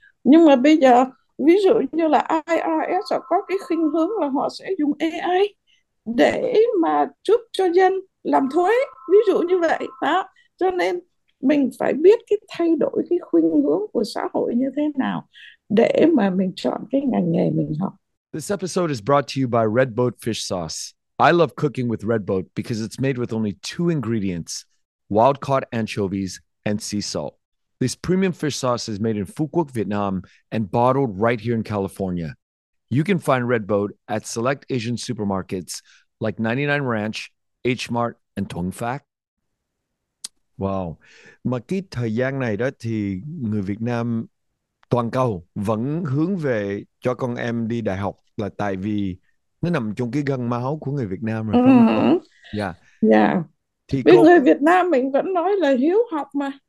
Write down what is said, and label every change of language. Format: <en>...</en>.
<vi>Nhưng mà bây giờ ví dụ như là IRS họ có cái khuynh hướng là họ sẽ dùng AI để mà giúp cho dân làm thuế, ví dụ như vậy đó. Cho nên mình phải biết cái thay đổi cái khuynh hướng của xã hội như thế nào để mà mình chọn cái ngành nghề mình học.</vi> <en>This episode is brought to you by Red Boat Fish Sauce. I love cooking with Red Boat because it's made with only two ingredients, wild-caught anchovies and sea salt. This premium fish sauce is made in Phú Quốc, Vietnam and bottled right here in California. You can find Red Boat at select Asian supermarkets like 99 Ranch, H Mart and Tuong Phat. Wow.</en> <vi>Mà cái thời gian này đó thì người Việt Nam toàn cầu vẫn hướng về cho con em đi đại học là tại vì nó nằm trong cái gân máu của người Việt Nam rồi, phải không cô? Dạ.</vi> <en>Yeah.</en> <vi>Thì Vì cô người Việt Nam mình vẫn nói là hiếu học mà.</vi>